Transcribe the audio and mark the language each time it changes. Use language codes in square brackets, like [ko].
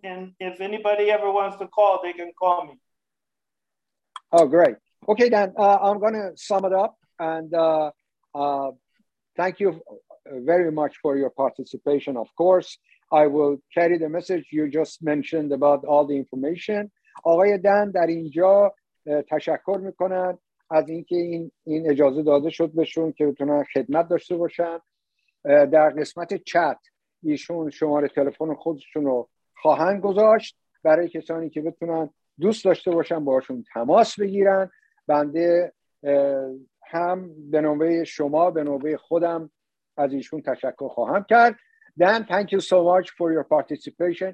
[en] And if anybody ever wants to call, they can call me. Oh, great. Okay, Dan, I'm going to sum it up. And thank you very much for your participation. Of course, I will carry the message you just mentioned about all the information. [fa] آقای دن در اینجا تشکر میکنن از اینکه این اجازه داده شد بهشون که بتونن خدمت داشته باشن. در قسمت چت ایشون شماره تلفن خودشون رو خواهند گذاشت برای کسانی که بتونن دوست داشته باشن باهاشون تماس بگیرن. بنده هم به نوبه شما به نوبه خودم از ایشون تشکر خواهم کرد. [en] Dan, thank you so much for your participation.